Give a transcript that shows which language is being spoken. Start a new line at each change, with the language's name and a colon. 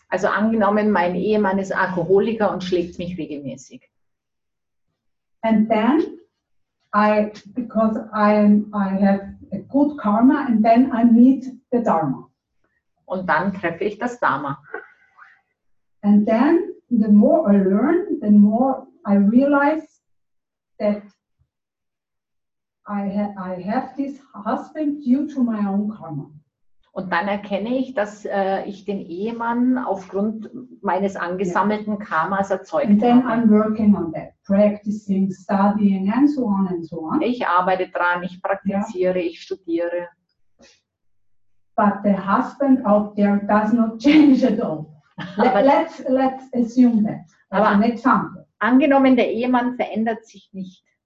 German: Also angenommen, mein Ehemann ist Alkoholiker und schlägt mich regelmäßig.
English: And then I have a good karma and then I meet the Dharma.
German: Und dann treffe ich das Dharma.
English: And then the more I learn, the more I realize that I have this husband due to my own karma.
German: Und dann erkenne ich, dass ich den Ehemann aufgrund meines angesammelten Karmas erzeugt habe.
English: And then I'm working on that, practicing, studying and so on and so on.
German: Ich arbeite dran, ich praktiziere, ich studiere.
English: but the husband out there does not change at all. Let's assume that.
German: Aber
English: an example.
German: Angenommen, der Ehemann verändert sich nicht.